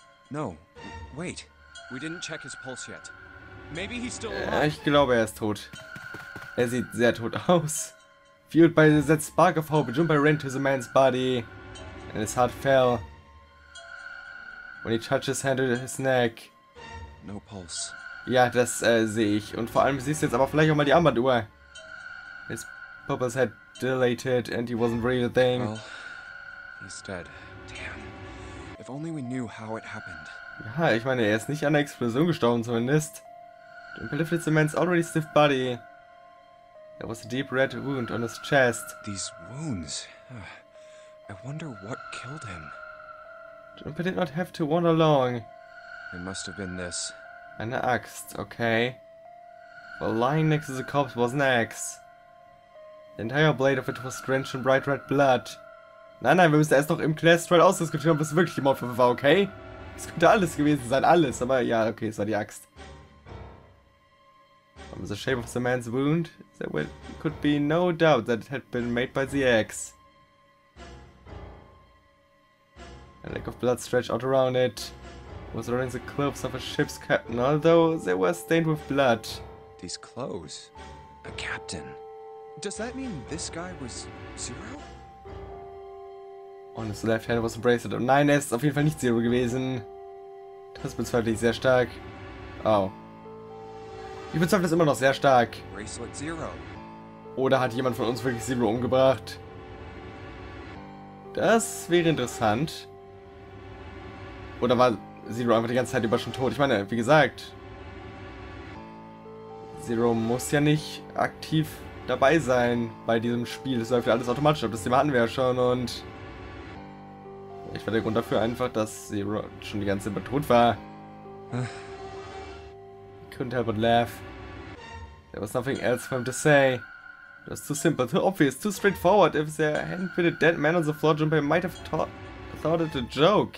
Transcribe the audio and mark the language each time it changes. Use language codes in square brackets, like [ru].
[en] No, wait. We didn't check his pulse yet. Maybe he's still alive. [de] Ich glaube, ist tot. Sieht sehr tot aus. [en] Fueled by that spark of hope, Junpei ran to the man's body, and his heart fell when he touched his hand to his neck. No pulse. [de] Ja, das sehe ich. Und vor allem siehst du jetzt aber vielleicht auch mal die Armbanduhr. [en] His pupils had dilated, and he wasn't breathing. Really, well, he's dead. Damn. If only we knew how it happened. [de] Ja, ich meine, er ist nicht an der Explosion gestorben, zumindest. [en] Junpei lifted the man's already stiff body. There was a deep red wound on his chest. These wounds. I wonder what killed him. Junpei did not have to wander long. It must have been this. An axe, okay. Well, lying next to the corpse was an axe. The entire blade of it was drenched in bright red blood. [de] Nein, nein, wir müssen erst noch im Clash-Trial ausdiskutieren, ob es wirklich die Mordwaffe war, okay? Es könnte alles gewesen sein, alles, aber ja, okay, es war die Axt. [en] From the shape of the man's wound, there could be no doubt that it had been made by the axe. A lake of blood stretched out around it. It was wearing the clothes of a ship's captain, although they were stained with blood. These clothes? A captain? Does that mean this guy was Zero? On his left hand was a bracelet. [de] Oh nein, er ist auf jeden Fall nicht Zero gewesen. Das bezweifle ich sehr stark. Oh. Ich bezweifle das immer noch sehr stark. [en] Bracelet Zero. [de] Oder hat jemand von uns wirklich Zero umgebracht? Das wäre interessant. Oder war Zero einfach die ganze Zeit über schon tot? Ich meine, wie gesagt, Zero muss ja nicht aktiv dabei sein bei diesem Spiel. Das läuft ja alles automatisch ab. Das Thema hatten wir ja schon und... Ich war der Grund dafür einfach, dass Zero schon die ganze Zeit tot war. [en] He couldn't help but laugh. There was nothing else for him to say. It was too simple, too obvious, too straightforward. If there hadn't been a dead man on the floor, Junpei might have thought it a joke.